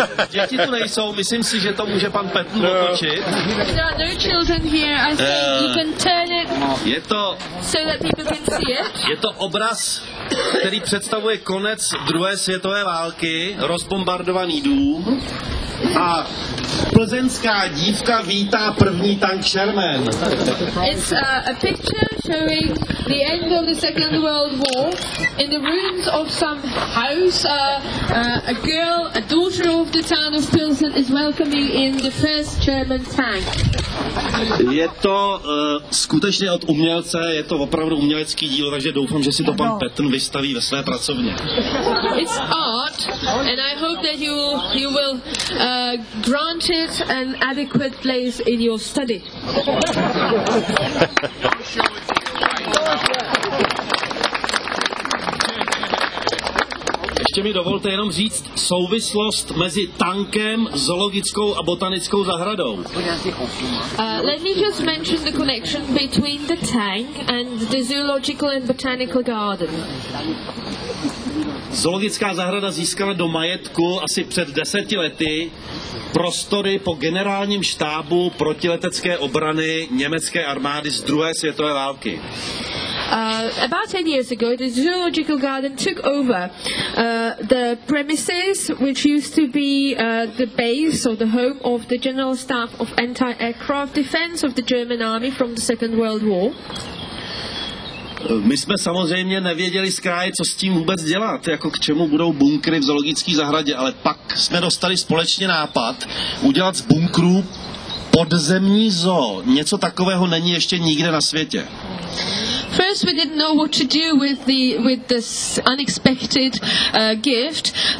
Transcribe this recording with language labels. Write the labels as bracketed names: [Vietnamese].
[Czech] Děti tu nejsou, myslím si, že to může pan Petn otočit. [English] There are no children here, I think you can turn it [Czech] je to, [English] so that people can see it. [Czech] Je to obraz, který představuje konec druhé světové války, rozbombardovaný dům. A plzeňská dívka vítá první tank Sherman. [English] It's a picture showing the end of the Second World War in the ruins of some house. A girl, a daughter of the town of Plzeň is welcoming in the first German tank. [Czech] Je to skutečně od umělce, je to opravdu umělecký díl, takže doufám, že si to pan Petn vystaví ve své pracovně. [English] It's art and I hope that you will granted an adequate place in your study. [Czech] Ještě mi dovolte jenom říct souvislost mezi tankem, zoologickou a botanickou zahradou. [English] Let me just mention the connection between the tank and the zoological and botanical garden. [Czech] Zoologická zahrada získala do majetku asi před 10 lety prostory po generálním štábu protiletecké obrany německé armády z druhé světové války. [English] About 10 years ago, the Zoological Garden took over the premises which used to be the base or the home of the General Staff of Anti-Aircraft Defense of the German Army from the Second World War. [Czech] My jsme samozřejmě nevěděli z kraje, co s tím vůbec dělat, jako k čemu budou bunkry v zoologické zahradě, ale pak jsme dostali společně nápad udělat z bunkrů podzemní zoo. Něco takového není ještě nikde na světě. [English] First we didn't know what to do with this unexpected gift.